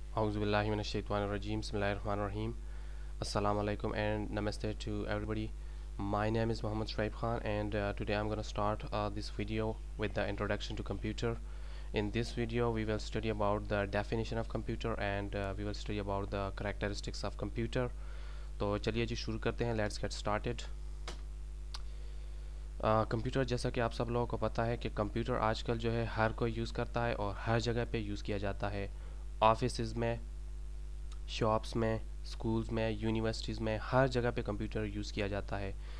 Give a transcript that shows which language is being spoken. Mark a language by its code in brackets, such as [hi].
[ar] أعوذ بالله من الشيطان الرجيم بسم الله الرحمن الرحيم السلام عليكم [en] and namaste to everybody. My name is Muhammad Shraib Khan and today I'm gonna start this video with the introduction to computer. In this video we will study about the definition of computer and we will study about the characteristics of computer. [ur] تو چلیے جی شروع کرتے ہیں, [en] let's get started. [ur] Computer جیسا کہ آپ سب لوگوں کو پتہ ہے کہ کمپیوٹر آج کل جو ہے ہر کوئی یوز کرتا ہے اور ہر جگہ پہ یوز کیا جاتا ہے, آفیسز میں, شاپس میں, اسکولز میں, یونیورسٹیز میں, ہر جگہ پہ کمپیوٹر یوز کیا جاتا ہے.